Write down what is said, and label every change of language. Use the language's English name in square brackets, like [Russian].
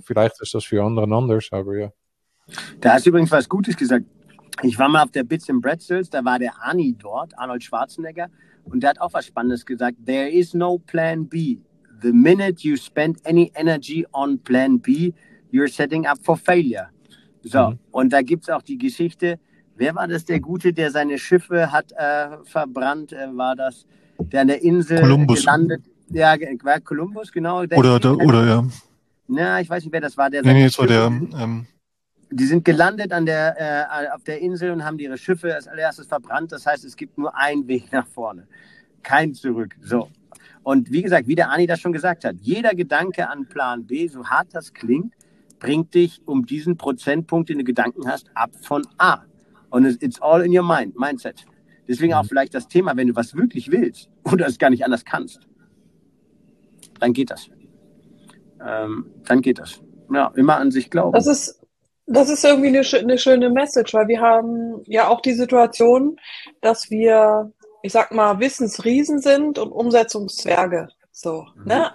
[German] Vielleicht ist das für andere anders, aber ja. Da hast du übrigens was Gutes gesagt. Ich war mal auf der Bits and Pretzels, da war der Arnie dort, Arnold Schwarzenegger, und der hat auch was Spannendes gesagt. [English] There is no plan B. The minute you spend any energy on plan B, you're setting up for failure. [German] So, und da gibt es auch die Geschichte, wer war das, der Gute, der seine Schiffe hat verbrannt, war das, der an der Insel Columbus gelandet. Ja, war Columbus, genau. Oder ja. Na, ich weiß nicht, wer das war. Die sind gelandet auf der Insel und haben ihre Schiffe als allererstes verbrannt. Das heißt, es gibt nur einen Weg nach vorne. Kein Zurück. So. Und wie gesagt, wie der Arnie das schon gesagt hat, jeder Gedanke an Plan B, so hart das klingt, bringt dich um diesen Prozentpunkt, den du Gedanken hast, ab von A. [English] Und it's all in your mind, Mindset. [German] Deswegen auch vielleicht das Thema, wenn du was wirklich willst oder es gar nicht anders kannst, dann geht das. Dann geht das. Ja, immer an sich glauben. Das ist irgendwie eine schöne Message, weil wir haben ja auch die Situation, dass wir, ich sag mal, Wissensriesen sind und Umsetzungszwerge. So, ne?